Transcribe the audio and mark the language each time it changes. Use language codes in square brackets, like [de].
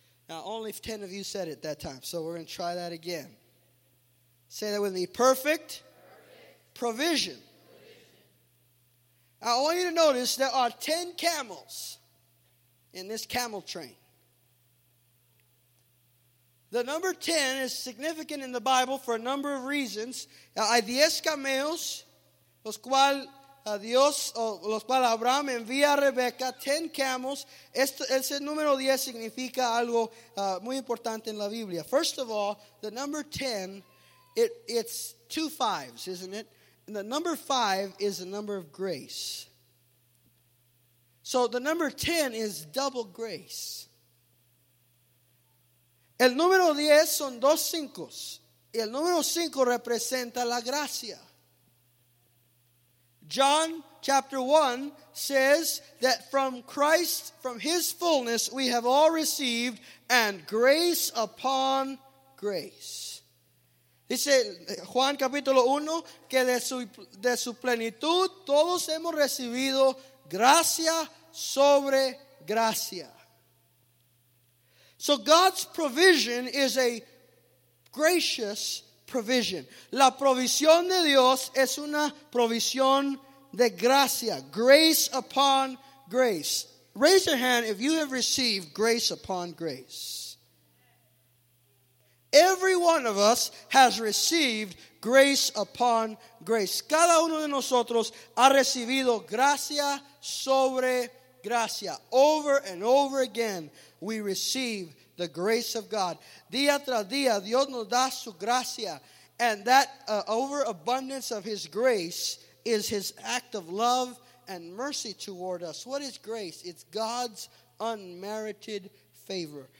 [en] Now, only 10 of you said it that time, so we're going to try that again. Say that with me. Perfect provision. I want you to notice there are 10 camels in this camel train. The number 10 is significant in the Bible for a number of reasons. [es] Hay 10 camellos, los cuales Dios, o los cuales Abraham envía a Rebeca, [en] 10 camels. [es] Ese número 10 significa algo muy importante en la Biblia. [en] First of all, the number 10, it's two fives, isn't it? And the number 5 is the number of grace. So the number 10 is double grace. [es] El número 10 son dos cincos. El número 5 representa la gracia. [en] John chapter 1 says that from Christ, from his fullness, we have all received and grace upon grace. [es] Dice Juan capítulo 1 que de su plenitud todos hemos recibido gracia sobre gracia. [en] So God's provision is a gracious provision. [es] La provisión de Dios es una provisión de gracia. [en] Grace upon grace. Raise your hand if you have received grace upon grace. Every one of us has received grace upon grace. [es] Cada uno de nosotros ha recibido gracia sobre gracia. [en] Over and over again, we receive the grace of God. [es] Día tras día, Dios nos da su gracia. [en] And that overabundance of his grace is his act of love and mercy toward us. What is grace? It's God's unmerited favor.